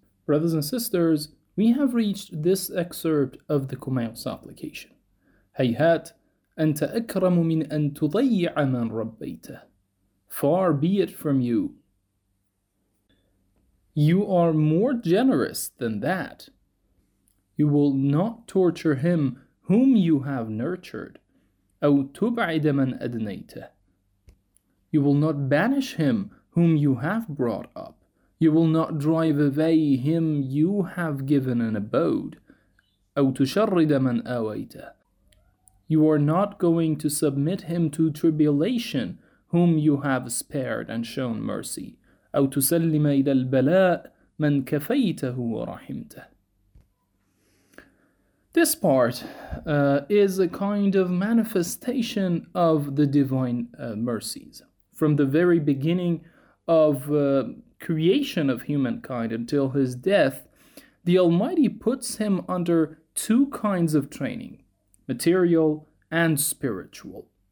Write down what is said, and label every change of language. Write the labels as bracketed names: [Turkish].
[English] Brothers and sisters, we have reached this excerpt of the Kumail supplication. [Arabic] هيهات أنت أكرم من أن تضيع من ربيته. [English] Far be it from you. You are more generous than that. You will not torture him whom you have nurtured. [Arabic] أو تبعد من أدنيته. [English] You will not banish him whom you have brought up. You will not drive away him you have given an abode. [Arabic] أو تشرد من أويته. [English] You are not going to submit him to tribulation whom you have spared and shown mercy. [Arabic] أو تسلم إلى البلاء من كفيته ورحمته. [English] This part is a kind of manifestation of the divine mercies. From the very beginning of creation of humankind until his death, the Almighty puts him under two kinds of training, material and spiritual.